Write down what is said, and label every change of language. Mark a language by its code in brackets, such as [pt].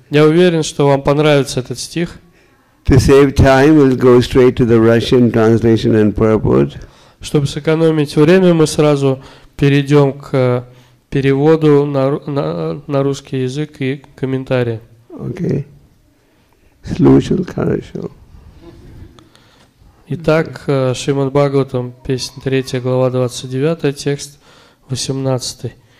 [ru] Я уверен, что вам понравится этот стих. [en] To save time, we'll go straight to the Russian translation and purport. [ru] Чтобы сэкономить время, мы сразу перейдем к переводу на русский язык и комментарии. Okay. Слушал, хорошо. Итак, Шримад Бхагаватам, песня 3, глава 29, текст 18.